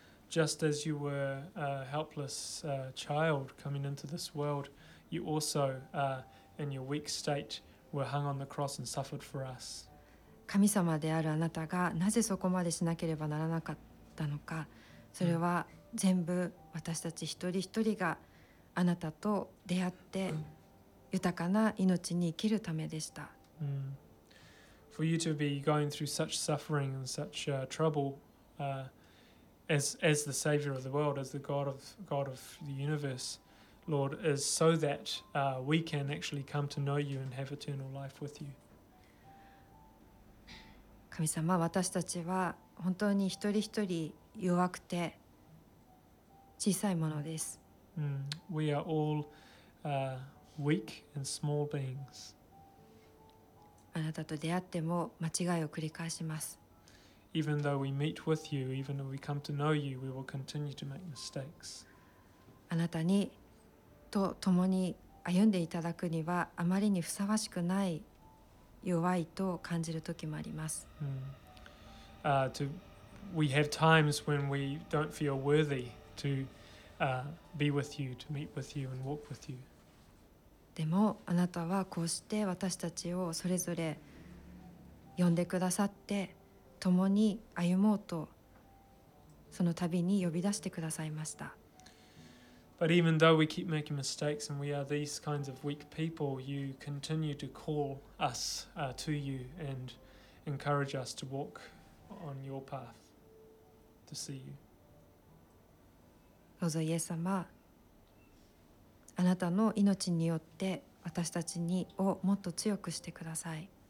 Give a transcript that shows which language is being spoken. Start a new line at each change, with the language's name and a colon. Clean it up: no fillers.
English: Just as you were a helpless child coming into this world, you also, in your weak state, were hung on the cross and suffered for us.
Japanese: 神様であるあなたがなぜそこまでしなければならなかったのか、それは全部私たち一人一人があなたと出会って豊かな命に生きるためでした。
English: For you to be going through such suffering and such trouble as the Savior of the world, as the God of the universe, Lord, is so that we can actually come to know you and have eternal life with you.
Japanese: 神様、私たちは本当に一人一人弱くて小さいものです。
English: We are all weak and small beings.
Japanese: あなたと出会っても間違いを繰り返します。
English: Even though we meet with you, even though we come to know you, we will continue to make mistakes.
Japanese: あなたにと共に歩んでいただくにはあまりにふさわしくない弱いと感じる時もあります。
English: We have times when we don't feel worthy to. Be with you, to meet with you, and walk with you.
Japanese: でもあなたはこうして私たちをそれぞれ呼んでくださって共に歩もうとその旅に呼び出してくださいました。
English: But even though we keep making mistakes and we are these kinds of weak people, you continue to call us to you and encourage us to walk on your path to see you.
Japanese: どうぞイエス様、あなたの命によって私たちにをもっと強くしてください。